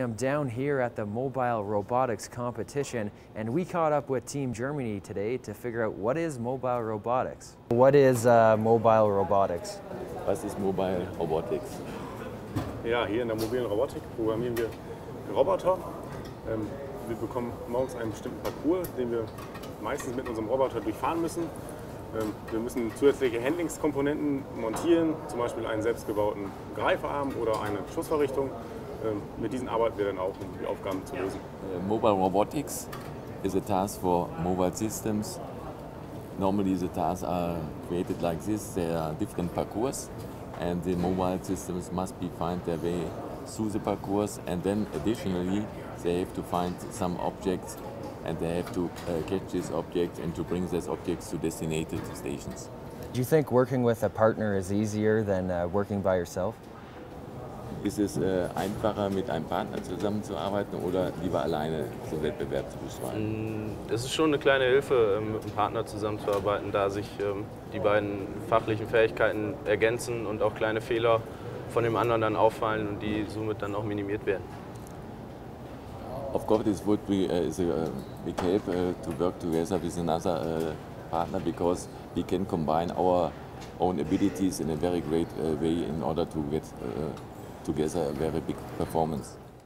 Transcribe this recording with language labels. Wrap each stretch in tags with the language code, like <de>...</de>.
<en>I'm down here at the Mobile Robotics Competition, and we caught up with Team Germany today to figure out what is mobile robotics. What is mobile robotics?</en> <de>Was ist mobile robotics? Ja, hier in der mobilen Robotik programmieren wir Roboter. Wir bekommen morgens einen bestimmten Parcours, den wir meistens mit unserem Roboter durchfahren müssen. Wir müssen zusätzliche Handlingskomponenten montieren, zum Beispiel einen selbstgebauten Greifarm oder eine Schussvorrichtung. Mit diesen arbeiten wir dann auch, um die Aufgaben zu lösen.</de> <en>Mobile robotics is a task for mobile systems. Normally the tasks are created like this. There are different parcours and the mobile systems must be find their way through the parcours, and then additionally they have to find some objects and they have to catch this object and to bring these objects to designated stations. Do you think working with a partner is easier than working by yourself?</en> <de>Ist es einfacher, mit einem Partner zusammenzuarbeiten oder lieber alleine zum Wettbewerb zu bestreiten? Es ist schon eine kleine Hilfe, mit einem Partner zusammenzuarbeiten, da sich die beiden fachlichen Fähigkeiten ergänzen und auch kleine Fehler von dem anderen dann auffallen und die somit dann auch minimiert werden.</de> <en>Of course, it would be a big help to work together with another partner, because we can combine our own abilities in a very great way in order to get together a very big performance.</en>